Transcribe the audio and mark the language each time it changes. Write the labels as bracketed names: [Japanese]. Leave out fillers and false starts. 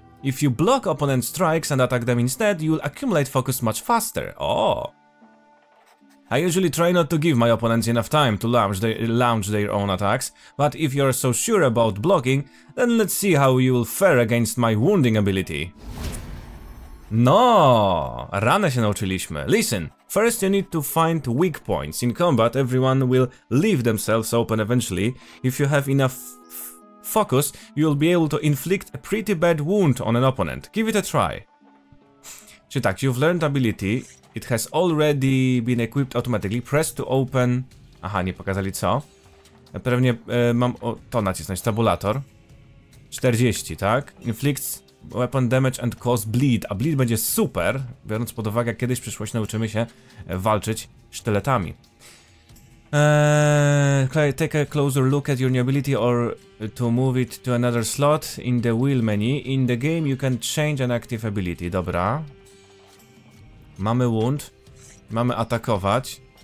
[English] If you block opponent's strikes and attack them instead, you'll accumulate focus much faster. Oh! I usually try not to give my opponents enough time to launch their own attacks, but if you're so sure about blocking, then let's see how you'll fare against my wounding ability. [Polish] No, ranę się nauczyliśmy. [English] Listen, first you need to find weak points. In combat, everyone will leave themselves open eventually. If you have enough focus, you'll be able to inflict a pretty bad wound on an opponent. Give it a try. [Polish] Czy tak, [English] you've learned ability. It has already been equipped automatically. Press to open... [Polish] Aha, nie pokazali co. Pewnie mam o, to nacisnąć, tabulator. 40, tak? [English] Inflicts weapon damage and cause bleed. [Polish] A bleed będzie super, biorąc pod uwagę, jak kiedyś w przyszłości nauczymy się walczyć sztyletami. [English] Take a closer look at your new ability or to move it to another slot in the wheel menu. In the game you can change an active ability. [Polish] Dobra. Mamy wound. Mamy atakować.